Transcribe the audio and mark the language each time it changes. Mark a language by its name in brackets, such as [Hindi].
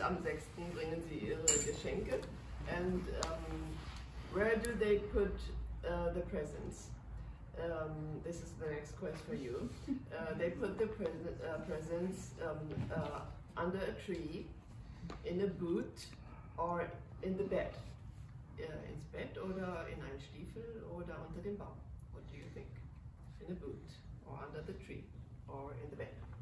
[German] Am 6. bringen sie ihre Geschenke. [English] And where do they put the presents? This is the next quest for you. They put the presents under a tree, in a boot, or in the bed. [German] Ins Bett oder in einen Stiefel oder unter dem Baum. [English] What do you think? In a boot or under the tree or in the bed?